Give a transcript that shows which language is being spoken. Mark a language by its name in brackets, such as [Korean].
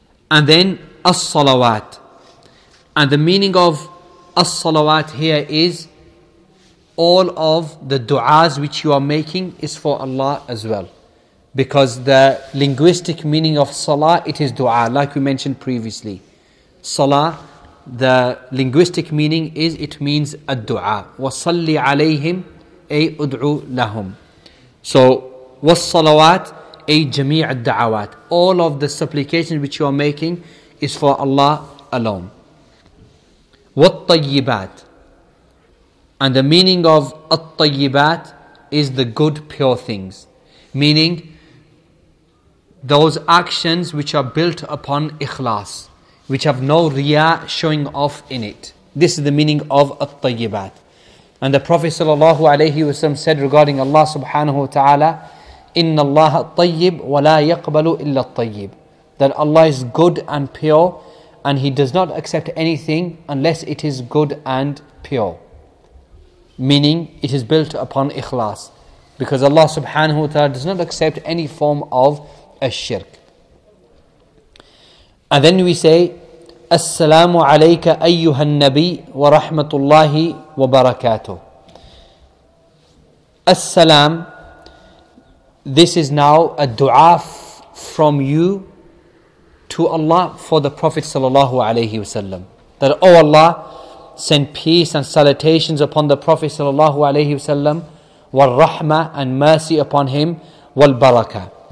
[English] And then as-salawat. And the meaning of as-salawat here is all of the du'as which you are making is for Allah as well. Because the linguistic meaning of salah, it is du'a, like we mentioned previously. Salah, the linguistic meaning is, it means a dua. [Arabic] وَصَلِّ عَلَيْهِمْ أَيْ أُدْعُوا لَهُمْ. [English] So [Arabic] والصلوات أي جميع الدعوات. [English] All of the supplications which you are making is for Allah alone. [Arabic] والطيبات. [English] And the meaning of الطيبات is the good, pure things. Meaning those actions which are built upon ikhlas, which have no riya showing off in it. This is the meaning of الطيبات. And the Prophet sallallahu alayhi wasallam said regarding Allah subhanahu wa ta'ala, [Arabic] إن الله طيب ولا يقبل إلا الطيب. [English] That Allah is good and pure, and He does not accept anything unless it is good and pure. Meaning, it is built upon ikhlas, because Allah subhanahu wa ta'ala does not accept any form of a shirk. And then we say, [Arabic] السلام عليك أيها النبي ورحمة الله وبركاته. السلام. [English] This is now a dua from you to Allah for the Prophet sallallahu alayhi wasallam. That, O Allah, send peace and salutations upon the Prophet sallallahu alayhi wasallam, wal rahmah and mercy upon him, wal barakah.